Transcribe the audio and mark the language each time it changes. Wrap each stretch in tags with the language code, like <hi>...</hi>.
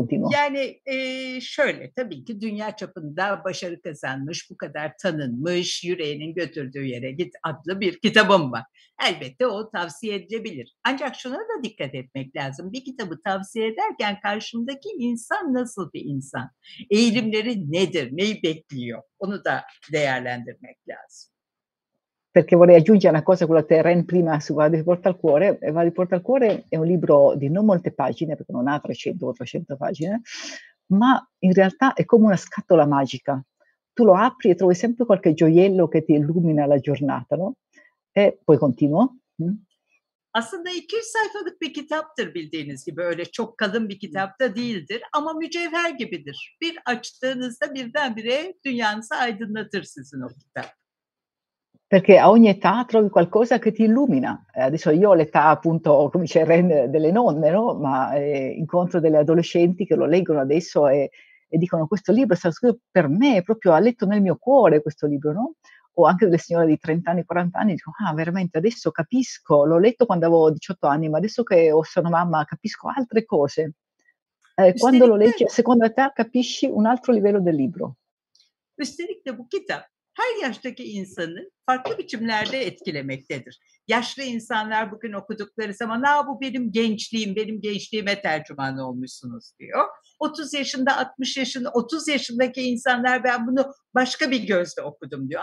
<tr>Yani şöyle, tabii ki dünya çapında başarı kazanmış, bu kadar tanınmış, yüreğinin götürdüğü yere git adlı bir kitabım var. Elbette o tavsiye edilebilir. Ancak şuna da dikkat etmek lazım. Bir kitabı tavsiye ederken karşımdaki insan nasıl bir insan? Eğilimleri nedir? Neyi bekliyor? Onu da değerlendirmek lazım.</tr> <it>perché vorrei aggiungere una cosa, quello Terrain prima su Vado di Porta al Cuore. Vado di Porta al Cuore è un libro di non molte pagine, perché non ha 300 o 400 pagine, ma in realtà è come una scatola magica. Tu lo apri e trovi sempre qualche gioiello che ti illumina la giornata, no? E poi continuo.</it> <tr>Aslında 200 sayfalık bir kitaptır bildiğiniz gibi. Öyle çok kalın bir kitap da değildir ama mücevher gibidir. Bir açtığınızda birdenbire dünyanızı aydınlatır sizin o kitap.</tr> <it>Perché a ogni età trovi qualcosa che ti illumina. Adesso io ho l'età appunto come c'è delle nonne, no? Ma incontro delle adolescenti che lo leggono adesso e dicono questo libro è stato scritto per me, proprio ha letto nel mio cuore questo libro, no? O anche delle signore di 30 anni, 40 anni, dicono, ah, veramente, adesso capisco, l'ho letto quando avevo 18 anni, ma adesso che sono mamma capisco altre cose. Quando lo leggi, a seconda età, capisci un altro livello del libro.</it> <tr>Üstelik de bu kitap, her yaştaki insanı farklı biçimlerde etkilemektedir. Yaşlı insanlar bugün okudukları zaman, aa bu benim gençliğim, benim gençliğime tercüman olmuşsunuz diyor. 30 yaşında, 60 yaşında, 30 yaşındaki insanlar ben bunu başka bir gözle okudum diyor.</tr>